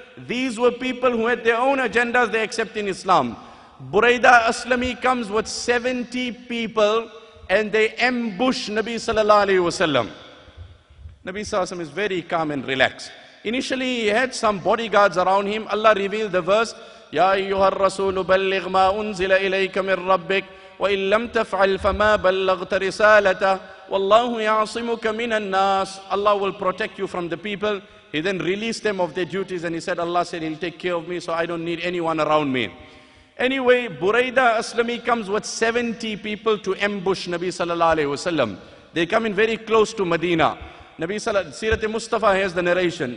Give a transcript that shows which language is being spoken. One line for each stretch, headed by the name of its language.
English: These were people who had their own agendas they accept in Islam. Buraida Aslami comes with 70 people and they ambush Nabi sallallahu alayhi wa sallam. Nabi sallallahu alayhi wa sallam is very calm and relaxed. Initially, he had some bodyguards around him.
Arabic: Allah revealed the verse, يَا أَيُّهَا الرَّسُولُ بَلِّغْ مَا أُنزِلَ إِلَيْكَ مِنْ رَبِّكَ وَإِنْ لَمْ تَفْعَلْ فَمَا بَلَّغْتَ رِسَالَتَهُ وَاللَّهُ يَعْصِمُكَ مِنَ النَّاسِ.
English: Allah will protect you from the people. He then released them of their duties and he said, Allah said, He'll take care of me so I don't need anyone around me. Anyway, Buraida Aslami comes with 70 people to ambush Nabi sallallahu alayhi wa sallam. They come in very close to Medina. Sirat Mustafa has the narration.